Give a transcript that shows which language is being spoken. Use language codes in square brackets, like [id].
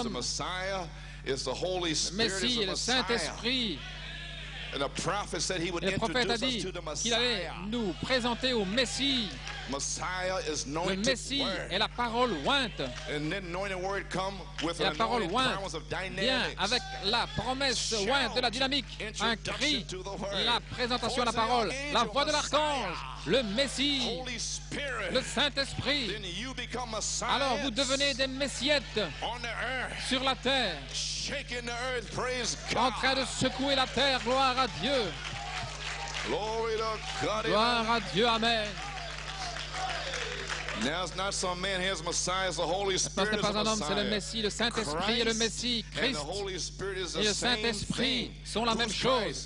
[en] Is the Messiah, is the Holy Spirit, [fr] le Messie, [en] is the Saint-Esprit. And the prophet said he would introduce us to the Messiah. [fr] Qu'il allait nous présenter au Messie. [en] Messiah is [fr] le Messie est la parole ointe. [en] And then anointed word come with [fr] et [en] an [fr] la parole ointe vient avec la promesse ointe de la dynamique. Un cri, la présentation de la parole, [en] angel, [fr] la voix de l'archange, [en] Messiah, [fr] le Messie, [en] Holy Spirit, [fr] le Saint-Esprit. [en] Then you become Messiah. [fr] Alors vous devenez des messiettes sur la terre. [en] Shaking the earth, praise God. [fr] En train de secouer la terre, gloire à Dieu. [en] Glory to God, [fr] gloire à Dieu, Amen. [en] Now it's not some man, here's Messiah, the Holy Spirit. [fr] Ce n'est pas un homme, c'est le Messie, le Saint-Esprit est le Messie. Christ et le Saint-Esprit sont la même chose.